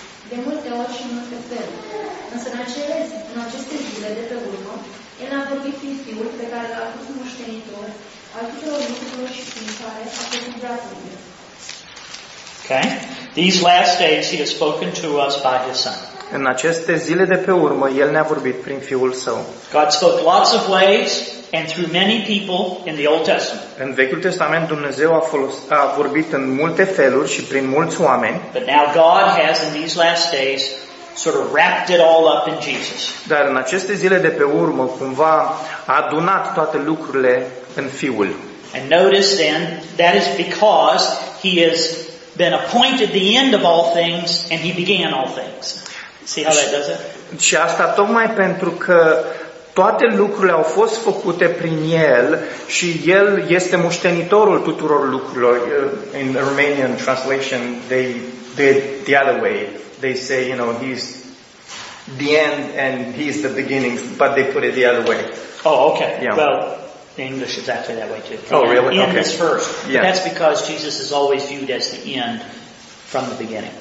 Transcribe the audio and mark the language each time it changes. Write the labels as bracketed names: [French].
[Romanian] De multe ori și în multe feluri. Însă în aceste zile de pe urmă, El a vorbit prin Fiul pe care l-a pus moștenitor al tuturor lucrurilor și prin care a făcut brațurile. [English] Okay. These last days He has spoken to us by His Son. [Romanian] În aceste zile de pe urmă, El ne-a vorbit prin Fiul Său. [English] God spoke lots of ways and through many people in the Old Testament. [Romanian] În Vechiul Testament, Dumnezeu a vorbit în multe feluri și prin mulți oameni. [English] But now God has in these last days sort of wrapped it all up in Jesus. [Romanian] Dar în aceste zile de pe urmă, cumva a adunat toate lucrurile în Fiul. [English] And notice then, that is because He has been appointed the end of all things and He began all things. See how that does it? [Romanian] Și asta tocmai pentru că toate lucrurile au fost făcute prin El și El este moștenitorul tuturor lucrurilor. [English] In the Romanian translation, they did the other way. they say, you know, he's the end and he's the beginning, but they put it the other way. Oh, okay. Yeah. Well, English is actually that way too. Oh, and really? End okay. is first. Yeah. That's because Jesus is always viewed as the end from the beginning.